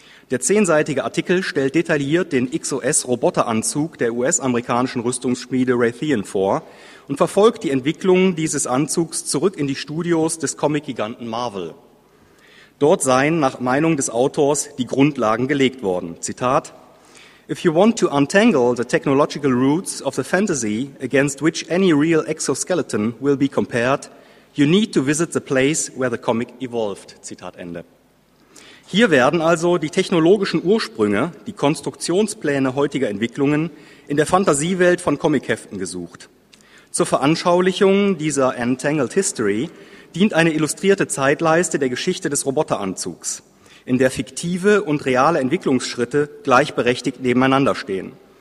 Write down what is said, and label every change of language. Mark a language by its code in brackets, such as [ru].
[de] Der 10-seitige Artikel stellt detailliert den XOS-Roboteranzug der US-amerikanischen Rüstungsschmiede Raytheon vor und verfolgt die Entwicklung dieses Anzugs zurück in die Studios des Comic-Giganten Marvel. Dort seien nach Meinung des Autors die Grundlagen gelegt worden. Zitat, [en] If you want to untangle the technological roots of the fantasy against which any real exoskeleton will be compared, you need to visit the place where the comic evolved. [de] Zitat Ende. Hier werden also die technologischen Ursprünge, die Konstruktionspläne heutiger Entwicklungen in der Fantasiewelt von Comicheften gesucht. Zur Veranschaulichung dieser Entangled History dient eine illustrierte Zeitleiste der Geschichte des Roboteranzugs, in der fiktive und reale Entwicklungsschritte gleichberechtigt nebeneinander stehen.